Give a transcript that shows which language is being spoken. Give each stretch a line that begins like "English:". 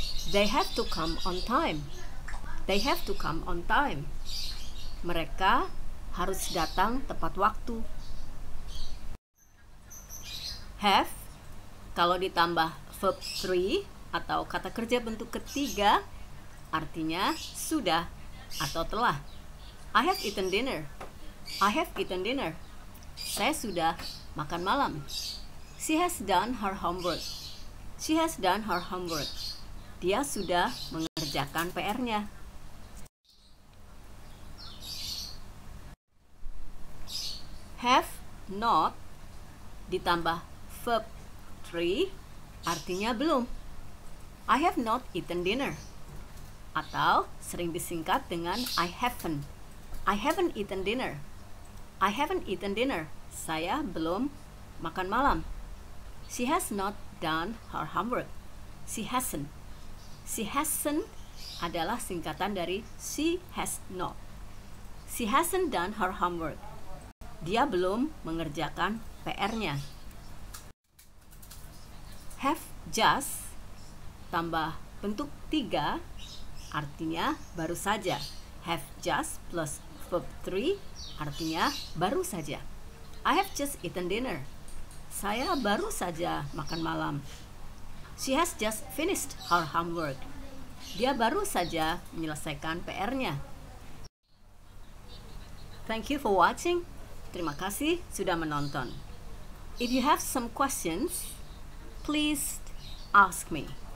English: They have to come on time. They have to come on time.
Indonesian: Mereka harus datang tepat waktu. Have kalau ditambah verb 3 atau kata kerja bentuk ketiga artinya sudah atau telah.
English: I have eaten dinner. I have eaten dinner.
Indonesian: Saya sudah makan malam.
English: She has done her homework. She has done her homework.
Indonesian: Dia sudah mengerjakan PR-nya. Have not ditambah verb 3 artinya belum.
English: I have not eaten dinner.
Indonesian: Atau sering disingkat dengan
English: I haven't. I haven't eaten dinner. I haven't eaten dinner.
Indonesian: Saya belum makan malam.
English: She has not done her homework. She hasn't. She hasn't
Indonesian: adalah singkatan dari
English: she has not. She hasn't done her homework.
Indonesian: Dia belum mengerjakan PR-nya. Have just tambah bentuk 3 artinya baru saja. Have just plus verb 3 artinya baru saja.
English: I have just eaten dinner.
Indonesian: Saya baru saja makan malam.
English: She has just finished her homework.
Indonesian: Dia baru saja menyelesaikan PR-nya.
English: Thank you for watching.
Indonesian: Terima kasih sudah menonton.
English: If you have some questions, please ask me.